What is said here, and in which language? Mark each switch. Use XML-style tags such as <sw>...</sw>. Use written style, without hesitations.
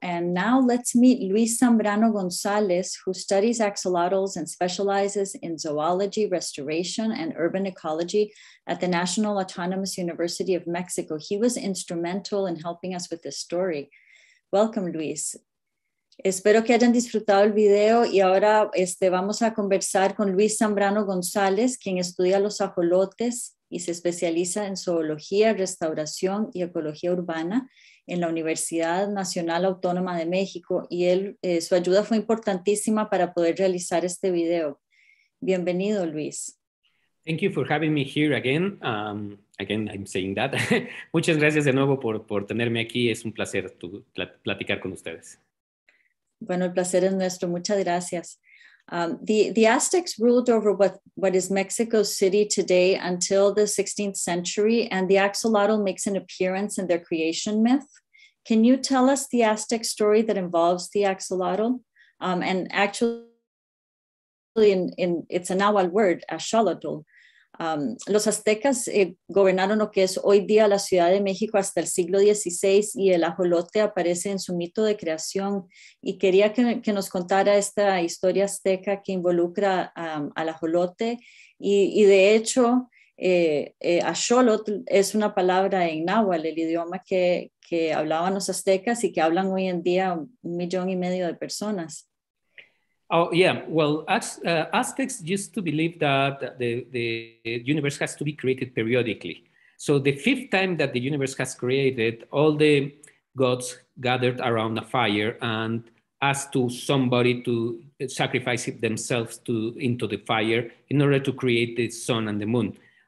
<en>And now let's meet Luis Zambrano González, who studies axolotls and specializes in zoology, restoration, and urban ecology at the National Autonomous University of Mexico. He was instrumental in helping us with this story. Welcome, Luis.</en> <es>Espero que hayan disfrutado el video y ahora vamos a conversar con Luis Zambrano González, quien estudia los ajolotes y se especializa en zoología, restauración y ecología urbana en la Universidad Nacional Autónoma de México. Y él, su ayuda fue importantísima para poder realizar este video. Bienvenido, Luis.</es> <en>Thank you for having me here again. Again, I'm saying that.</en> <es>Muchas gracias de nuevo por tenerme aquí. Es un placer platicar con ustedes. Bueno, el placer es nuestro. Muchas gracias.</es> <en>The Aztecs ruled over what is Mexico City today until the 16th century, and the axolotl makes an appearance in their creation myth. Can you tell us the Aztec story that involves the axolotl? And actually, in it's a Nahuatl word, axolotl.</en> <es>Los aztecas gobernaron lo que es hoy día la Ciudad de México hasta el siglo XVI y el ajolote aparece en su mito de creación. Y quería que nos contara esta historia azteca que involucra al ajolote. Y de hecho, axolotl es una palabra en náhuatl, el idioma que hablaban los aztecas y que hablan hoy en día 1.5 million de personas.</es> <en>Oh, yeah. Well, Aztecs used to believe that the universe has to be created periodically. So the fifth time that the universe has created, all the gods gathered around a fire and asked to somebody to sacrifice themselves into the fire in order to create the sun and the moon.</en>